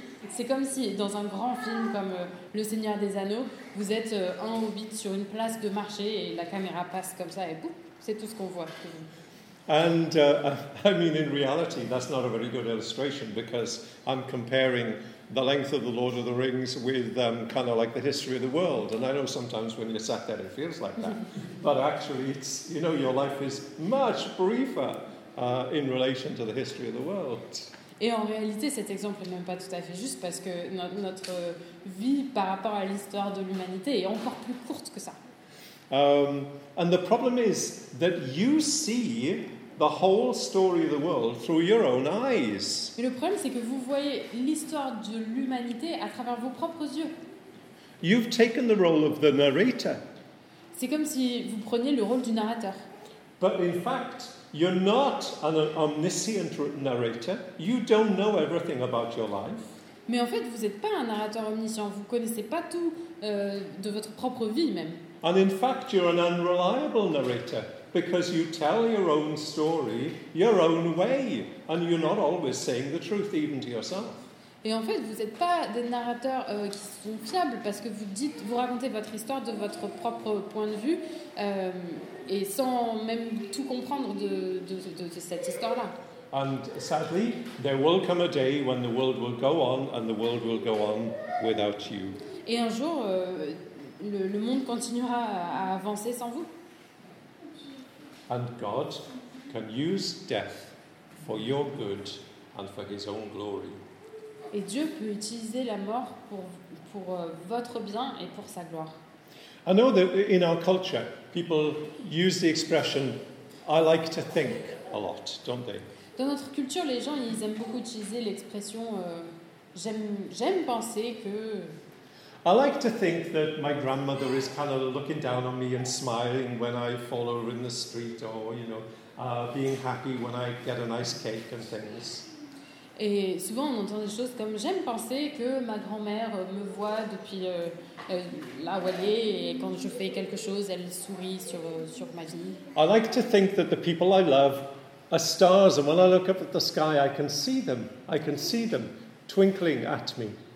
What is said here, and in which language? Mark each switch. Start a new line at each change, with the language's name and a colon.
French: C'est comme si, dans un grand film comme Le Seigneur des Anneaux, vous êtes un hobbit sur une place de marché et la caméra passe comme ça et boum, c'est tout ce qu'on voit.
English: And I mean, in reality, that's not a very good illustration because I'm comparing the length of the Lord of the Rings with kind of like the history of the world. And I know sometimes when you're sat there, it feels like that. But actually, it's, you know, your life is much briefer in relation to the history of the world.
French: Et en réalité, cet exemple n'est même pas tout à fait juste parce que notre vie par rapport à l'histoire de l'humanité est encore plus courte que ça.
English: And the problem is that you see the whole story of the world through your own eyes.
French: Mais le problème, c'est que vous voyez l'histoire de l'humanité à travers vos propres yeux.
English: You've taken the role of the narrator.
French: C'est comme si vous preniez le rôle du narrateur.
English: But in fact, you're not an omniscient narrator. You don't know everything about your life.
French: Mais en fait, vous n'êtes pas un narrateur omniscient. Vous ne connaissez pas tout de votre propre vie même.
English: And in fact, you're an unreliable narrator because you tell your own story your own way and you're not always saying the truth even to yourself.
French: Et en fait, vous n'êtes pas des narrateurs qui sont fiables parce que vous racontez votre histoire de votre propre point de vue et sans même tout comprendre de cette histoire-là.
English: And sadly, there will come a day when the world will go on and the world will go on without you.
French: Et un jour, le monde continuera à avancer sans vous.
English: And God can use death for your good and for his own glory.
French: Et Dieu peut utiliser la mort pour votre bien et pour sa gloire.
English: I know that in our culture, people use the expression "I like to think" a lot, don't they?
French: Dans notre culture, les gens ils aiment beaucoup utiliser l'expression "j'aime penser que".
English: I like to think that my grandmother is kind of looking down on me and smiling when I fall over in the street, or you know, being happy when I get a nice cake and things.
French: Et souvent on entend des choses comme j'aime penser que ma grand-mère me voit depuis là, vous voyez, et quand je fais quelque chose, elle sourit sur ma vie.
English: I like to think that the people I love are stars, and when I look up at the sky, I can see them. I can see them twinkling at me.